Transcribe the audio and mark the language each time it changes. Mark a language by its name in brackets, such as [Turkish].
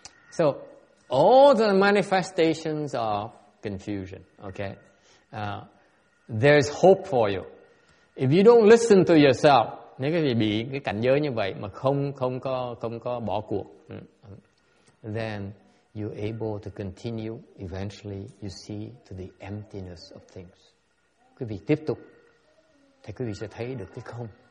[English] So all the manifestations of confusion, okay? There is hope for you. If you don't listen to yourself, [Vietnamese] nếu quý vị bị cái cảnh giới như vậy mà không có bỏ cuộc, [English] then you're able to continue. Eventually, you see to the emptiness of things. [Vietnamese] Quý vị tiếp tục, thì quý vị sẽ thấy được cái không.